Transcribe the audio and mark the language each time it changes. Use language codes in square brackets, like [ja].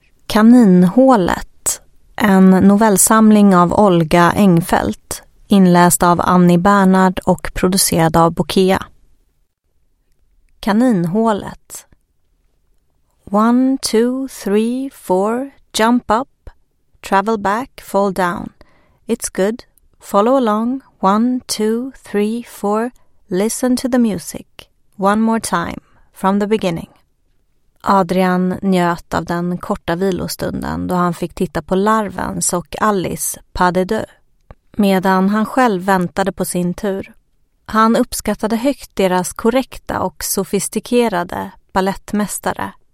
[sv] Kaninhålet, en novellsamling av Olga Engfelt, inläst av Annie Bernhard och producerad av Bokea. Kaninhålet. [en] 1, 2, 3, 4, jump up, travel back, fall down. It's good, follow along. 1, 2, 3, 4, listen to the music. One more time, from the beginning. [sv] Adrian njöt av den korta vilostunden då han fick titta på Larvens och Alice pas de deux, medan han själv väntade på sin tur. Han uppskattade högt deras korrekta och sofistikerade ballettmästare.